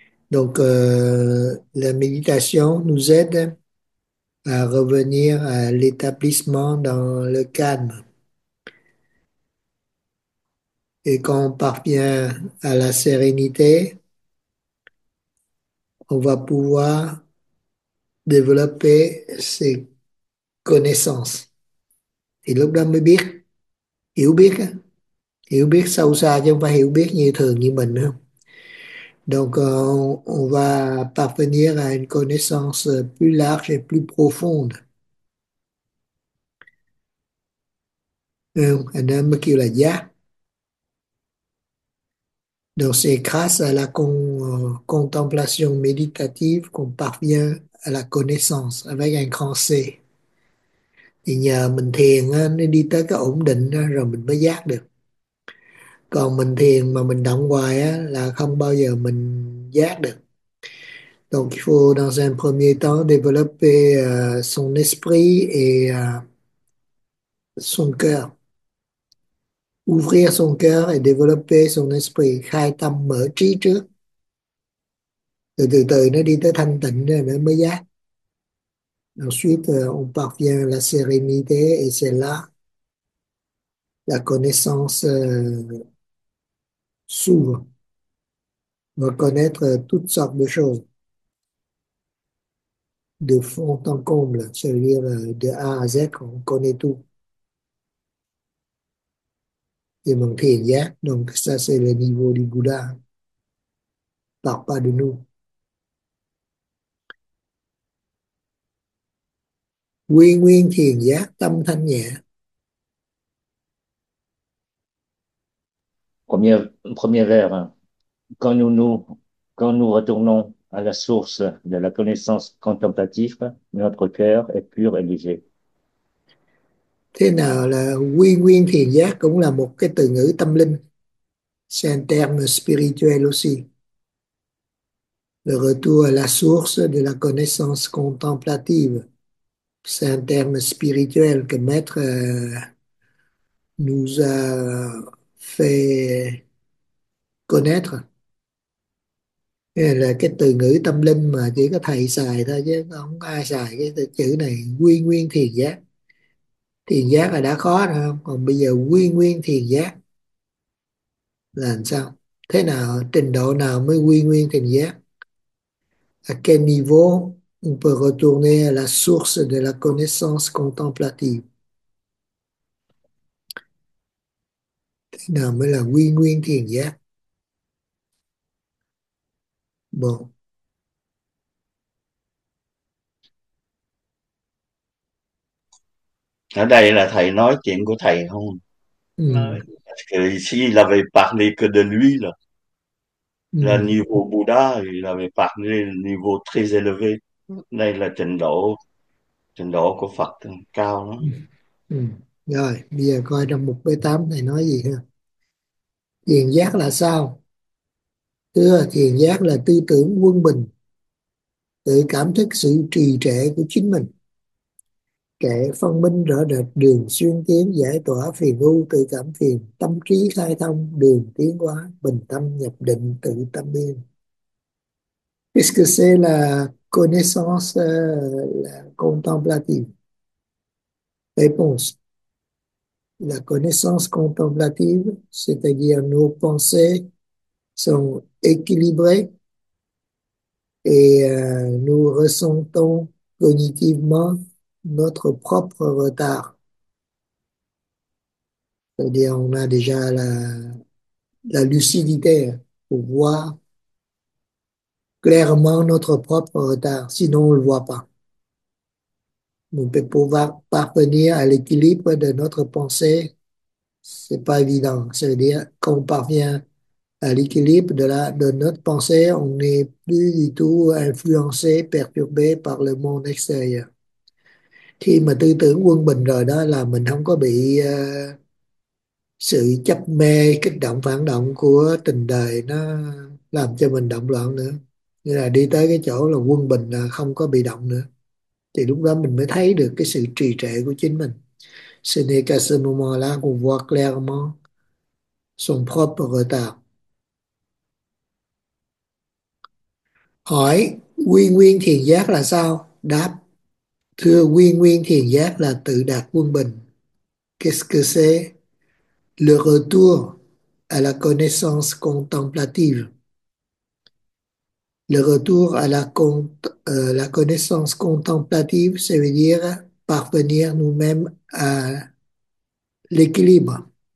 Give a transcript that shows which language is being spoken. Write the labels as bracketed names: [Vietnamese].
[French] Donc, la méditation nous aide à revenir à l'établissement dans le calme. Et quand on parvient à la sérénité, on va pouvoir développer ses connaissances. [Vietnamese] Et lúc đó mới biết, hiểu biết, hiểu biết sâu xa chứ không phải hiểu biết như thường như mình không. [French] Donc, on va parvenir à une connaissance plus large et plus profonde. [Vietnamese] Anh em mới kêu là giác. [French] Donc, c'est grâce à la contemplation méditative qu'on parvient à la connaissance avec un grand C. [Vietnamese] Thì nhờ mình thiền, nó đi tới cái ổn định rồi mình mới giác được. Còn mình thiền mà mình động hoài á, là không bao giờ mình giác được. [French] Donc, il faut dans un premier temps développer son esprit et son cœur. Ouvrir son cœur et développer son esprit, [Vietnamese] khai tâm mở trí trước. Từ từ từ nó đi tới thanh tịnh rồi nó mới giác. [French] Ensuite, on parvient à la sérénité et c'est là la connaissance s'ouvre, va connaître toutes sortes de choses, de fond en comble, c'est-à-dire de A à Z, on connaît tout. Et mon thiền giác, donc ça c'est le niveau du Bouddha, par pas de nous. [Vietnamese] Quy nguyên thiền giác, tâm thanh nhẹ. [French] Premier vers, quand nous retournons à la source de la connaissance contemplative, notre cœur est pur et léger. [Vietnamese] Thế nào là quy nguyên thiền giác, cũng là một cái từ ngữ tâm linh, [French] c'est un terme spirituel aussi. Le retour à la source de la connaissance contemplative, c'est un terme spirituel que Maître nous a fait connaître. [Vietnamese] Là cái từ ngữ tâm linh mà chỉ có thầy xài thôi, chứ không ai xài cái từ chữ này, quy nguyên thiền giác. Thiền giác là đã khó rồi, không còn bây giờ quy nguyên thiền giác là làm sao, thế nào, trình độ nào mới quy nguyên thiền giác, [French] à quel niveau on peut retourner à la source de la connaissance contemplative, [Vietnamese] thế nào mới là quy nguyên thiền giác. Bộ. Ở đây là thầy nói chuyện của thầy không? Nói si là về parler que de lui là niveau Buddha thì là về parler niveau très élevé. Đây là trình độ của Phật cao lắm. Rồi, bây giờ coi trong mục B8 này nói gì ha. Thiền giác là sao? Thưa, thiền giác là tư tưởng quân bình, tự cảm thức sự trì trệ của chính mình, kẻ phân minh rõ rệt đường xuyên tiến, giải tỏa phiền ưu, tự cảm phiền, tâm trí khai thông, đường tiến hóa, bình tâm nhập định, tự tâm yên. [French] Qu'est-ce que c'est la connaissance contemplative? Réponse. La connaissance contemplative, c'est-à-dire nos pensées sont équilibrées et nous ressentons cognitivement notre propre retard. C'est-à-dire, on a déjà la lucidité pour voir clairement notre propre retard, sinon on ne le voit pas. Mais pouvoir parvenir à l'équilibre de notre pensée, ce n'est pas évident. C'est-à-dire, quand on parvient à l'équilibre de notre pensée, on n'est plus du tout influencé, perturbé par le monde extérieur. [Vietnamese] Khi mà tư tưởng quân bình rồi đó là mình không có bị sự chấp mê, kích động, phản động của tình đời nó làm cho mình động loạn nữa. Nghĩa là đi tới cái chỗ là quân bình là không có bị động nữa. Thì lúc đó mình mới thấy được cái sự trì trệ của chính mình. [French] Ce n'est qu'à ce moment-là qu'on voit clairement son propre retard. [Vietnamese] Hỏi, quy nguyên thiền giác là sao? Đáp, thưa, quy nguyên thiền giác là tự đạt quân bình. [French] Qu'est-ce que c'est? Le retour à la connaissance contemplative. Le retour à la connaissance contemplative, ça veut dire parvenir nous-mêmes à l'équilibre.